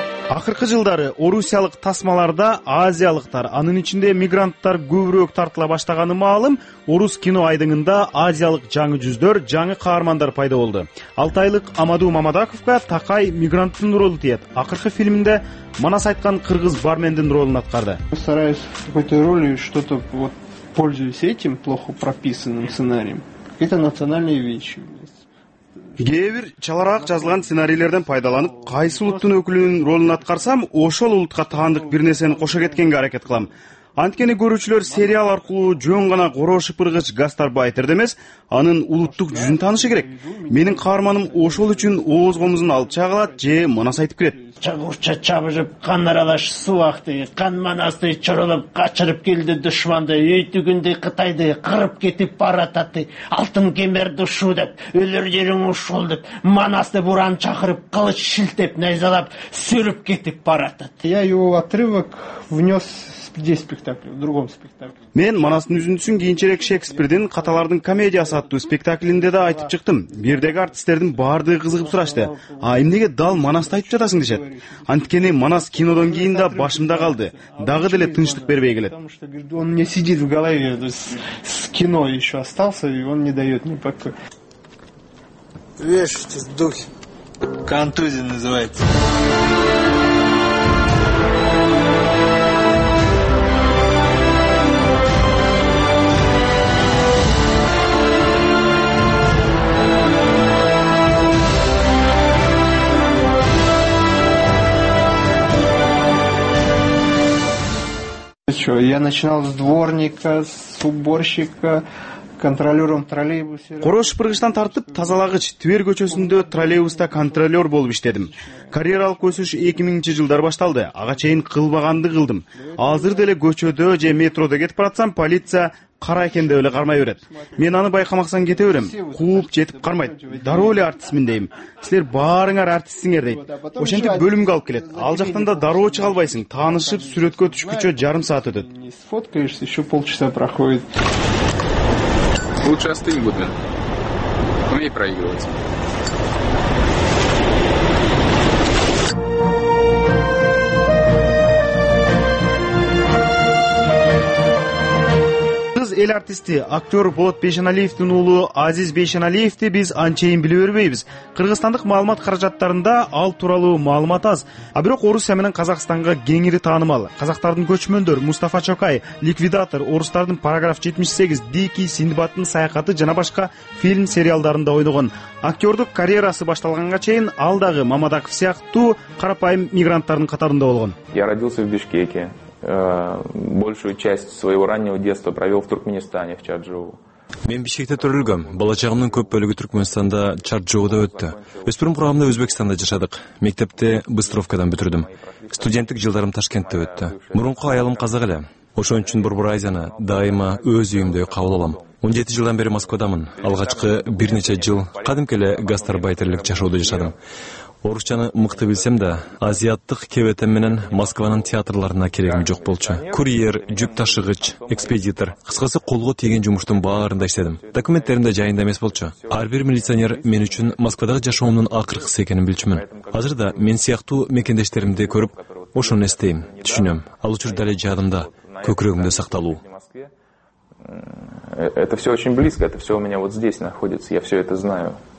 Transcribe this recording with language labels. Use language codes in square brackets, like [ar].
[ky] Акыркы жылдары орусиялык тасмаларда азиялыктар, анын ичинде мигранттар көбүрөөк тартыла баштаганы маалым. Орус кино айдыңында азиялык жаңы жүздөр, жаңы каармандар пайда болду. Алтайлык Амадуу Мамадаковго Такай мигранттын ролу тиет. Акыркы фильминде Манас айткан кыргыз бармендин ролун аткарды. [ru] Стараюсь какой-то ролью что-то вот пользуюсь этим плохо прописанным сценарием. Это национальные вещи. [ky] Кээ бир чалараак жазылган сценарийлерден пайдаланып, кайсы улуттун өкүлүнүн ролун аткарсам, ошол улутка таандык бир нерсени кошо кеткенге аракет кылам. Анткени көрүүчүлөр сериал аркылуу жөн гана короо шыпыргыч гастарбайтерди эмес, анын улуттук жүзүн таанышы керек. Менин каарманым ошол үчүн ооз комузун алып чагылат же Манас айтып кирет. Чагурча чабышып, кан аралаш субакты, кан Манасты чоролоп качырып келди душманды, үй түгүндү Кытайды кырып кетип баратты, алтын кемерди ушу деп, өлөр жериң ушул деп, Манасты буран чакырып, кылыч шилтеп, найзалап, сүрүп кетип баратты. [ru] Я его отрывок внес где спектакль, в другом спектакле. [ky] Мен Манастын үзүндүсүн кийинчерээк Шекспирдин Каталардын комедиясы аттуу спектаклинде да айтып чыктым. Бирдеги артисттердин баардыгы кызыгып сурашты. А эмнеге дал Манасты айтып жатасың дешет? Анткени Манас кинодон кийин да башымда калды. Дагы деле тынчтык бербей келет. [ru] Потому что говорит, он не сидит в голове, то есть с кино еще остался, и он не дает мне покоя. Вешайтесь, дух. Контузия называется. Я начинал с дворника, с уборщика, контролёром троллейбуса. [ky] Короош Пыргыштан тартып, тазалагыч Твер көчөсүндө троллейбуста контролёр болуп иштедим. Карьералык өсүш 2000-чи жылдар башталды. Ага чейин кылбаганды кылдым. Азыр деле көчөдө же метродо кетип баратсам, полиция кара экен деп эле кармай берет. Мен аны байкамаксаң кете берем. Кууп жетип кармайт. Дароо эле артистмин дейм. Силер баарыңар артистсиңер дейт. Ошентип бөлүмгө алып келет. Ал жактан да дароо чыга албайсың. Таанышып сүрөткө түшкүчө жарым саат өтөт. [ru] Сфоткаешься, еще полчаса проходит. Лучше остынь, Гудвин. Умей проигрывать. [ky] Эл артисти актер Болот Бейшеналиевдин уулу Азиз Бейшеналиевди биз анчейин биле бербейбиз. Кыргызстандык маалымат каражаттарында ал тууралуу маалымат аз, а бирок Орусия менен Казакстанга кеңири таанымал. Казактардын көчмөндөр Мустафа Чокай, Ликвидатор, орустардын Параграф 78, Дикий Синдбаттын саякаты жана башка фильм сериалдарында ойногон. Актердук карьерасы башталганга чейин ал дагы Мамадаков сыяктуу карапайым мигранттардын катарында болгон. [ru] Я родился в Бишкеке. Большую часть своего раннего детства провел в Туркменистане, в Чарджоу. [ky] Мен Бишкекте төрөлгөм. Балачагымдын көп бөлүгү Туркменистанда, Чарджоуда өттү. Өспүрүм курамында Өзбекстанда жашадык. Мектепти Быстровкадан бүтүрдүм. Студенттик жылдарым Ташкентте өттү. Мурунку аялым казак эле. Ошон үчүн Бурбур Азияны дайыма өз үйүмдөй кабыл алам. 17 жылдан бери Москвадамын. Алгачкы бир нече жыл кадимки эле гастарбайтерлик жашоодо жашадым. Орусчаны мыкты билсем да, азияттык кебетем менен Москванын театрларына керегим жок болчу. Курьер, жүк ташыгыч, экспедитор, кыскасы колго тийген жумуштун баарында иштедим. Документтеримде жайында эмес болчу. Ар бир милиционер мен үчүн Москвадагы жашоомдун акыркысы экенин билчүмүн. Азыр да мен сыяктуу мекендештеримди көрүп, ошону эстейм, түшүнөм. Ал учурда эле жадымда [kk] көкірегімде сақталу. [ru] Это все очень близко, это все у меня вот здесь находится, я все это знаю.